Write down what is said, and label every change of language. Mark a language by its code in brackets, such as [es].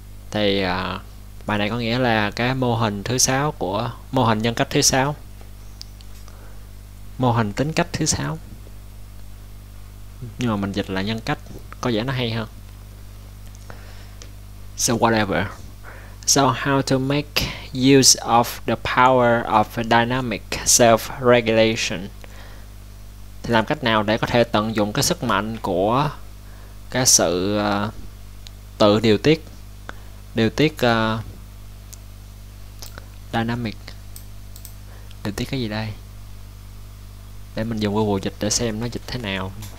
[vi] Thì bài này có nghĩa là cái mô hình thứ sáu của mô hình nhân cách thứ sáu, mô hình tính cách thứ sáu, nhưng mà mình dịch là nhân cách có vẻ nó hay hơn. [en] So whatever. So how to make use of the power of dynamic self-regulation? [vi] Thì làm cách nào để có thể tận dụng cái sức mạnh của cái sự tự điều tiết dynamic, điều tiết cái gì đây, để mình dùng Google dịch để xem nó dịch thế nào.